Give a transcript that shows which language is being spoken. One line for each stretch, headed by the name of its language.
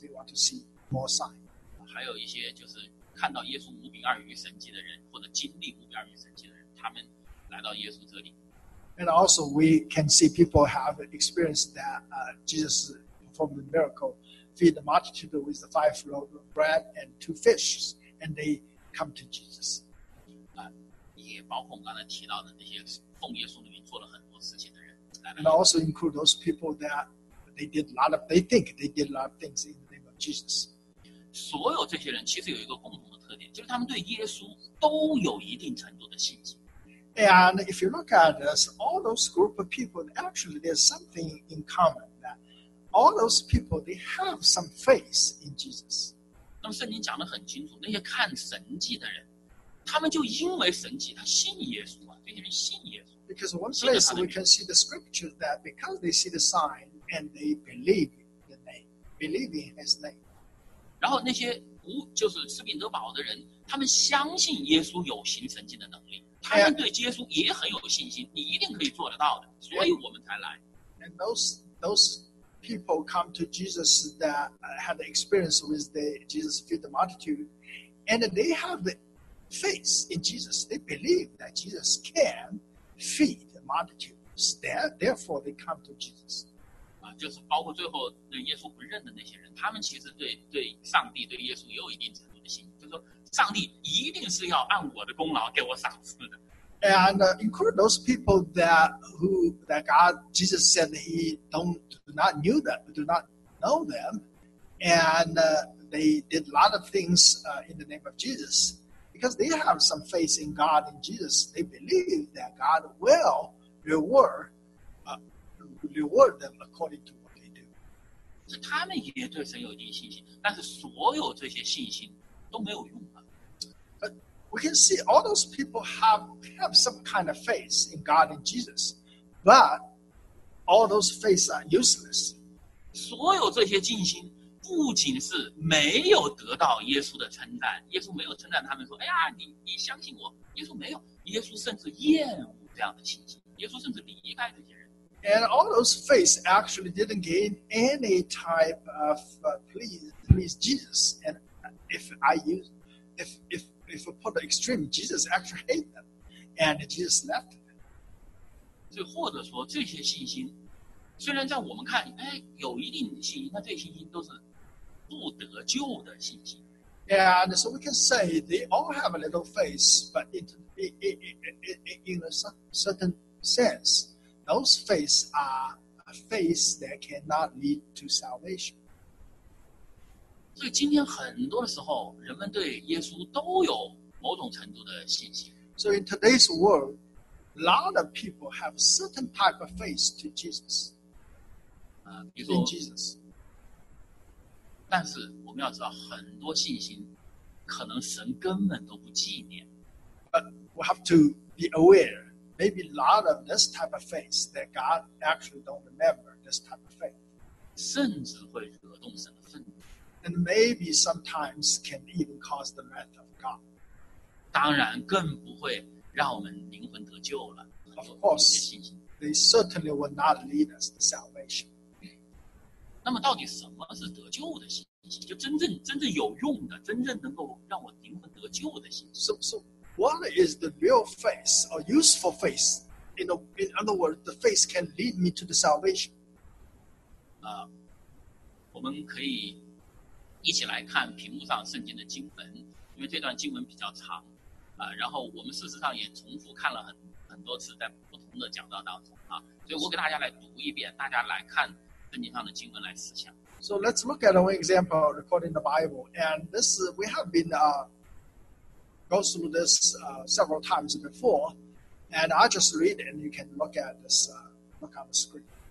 English: They want to see more signs.
Chinese: 还有一些就是看到耶稣五饼二鱼神迹的人，或者经历五饼二鱼神迹的人，他们来到耶稣这里。
English: And also, we can see people have experienced that Jesus performed the miracle, feed the multitude with the 5 loaves of bread and 2 fishes, and they come to Jesus.
Chinese: 也包括我们刚才提到的那些奉耶稣的名做了很多事情的人。
English: And also include those people that they think they did a lot of things in the name of Jesus.
Chinese: 所有这些人其实有一个共同的特点，就是他们对耶稣都有一定程度的信心。
English: And if you look at this, all those group of people, actually there's something in common, that all those people, they have some faith in Jesus.
Chinese: 那么圣经讲得很清楚，那些看神迹的人，他们就因为神迹，他信耶稣嘛，这些人信耶稣。
English: Because one place we can see the scripture that because they see the sign and they believe the name, believe in his name.
Chinese: 然后那些无就是吃饼得饱的人，他们相信耶稣有行神迹的能力。他们对耶稣也很有信心，你一定可以做得到的，所以我们才来。
English: And those people come to Jesus that had the experience with the Jesus feed the multitude, and they have the faith in Jesus. They believe that Jesus can feed the multitudes. Therefore, they come to Jesus.
Chinese: 就是包括最后对耶稣不认的那些人，他们其实对上帝、对耶稣也有一定程度的信心，就是说。上帝一定是要按我的功劳给我赏赐的。
English: And include those people that God, Jesus said he do not know them, and they did a lot of things in the name of Jesus, because they have some faith in God and Jesus, they believe that God will reward them according to what they do.
Chinese: 是他们也对神有一定信心，但是所有这些信心都没有用。
English: We can see all those people have some kind of faith in God and Jesus, but all those faiths are useless.
Chinese: 所有这些信心不仅是没有得到耶稣的称赞，耶稣没有称赞他们说，哎呀，你相信我。耶稣没有，耶稣甚至厌恶这样的信心，耶稣甚至离开这些人。
English: And all those faiths actually didn't gain any type of please Jesus. And if we put the extreme, Jesus actually hated them, and Jesus left them.
Chinese: 所以或者说这些信心，虽然在我们看，哎，有一定的信心，那这些信心都是不得救的信心。
English: And so we can say they all have a little faith, but in a certain sense, those faiths are a faith that cannot lead to salvation.
Chinese: 所以今天很多的时候，人们对耶稣都有某种程度的信心。
English: So in today's world, a lot of people have a certain type of faith to Jesus. In Jesus.
Chinese: 但是我们要知道，很多信心可能神根本都不纪念。
English: But we have to be aware, maybe a lot of this type of faith that God actually don't remember this type of faith.
Chinese: 甚至会惹动神的愤怒。
English: And maybe sometimes can even cause the wrath of God.
Chinese: 当然更不会让我们灵魂得救了。
English: Of course, they certainly will not lead us to salvation.
Chinese: 那么到底什么是得救的信心？就真正有用的，真正能够让我灵魂得救的信心。
English: So what is the real faith or useful faith? In other words, the faith can lead me to the salvation.
Chinese: 我们可以一起来看屏幕上圣经的经文，因为这段经文比较长，然后我们事实上也重复看了很多次，在不同的讲道当中啊，所以我给大家来读一遍，大家来看圣经上的经文来思想。
English: So let's look at one example according the Bible, and this we have been go through this several times before, and I just read and you can look at this look on the screen.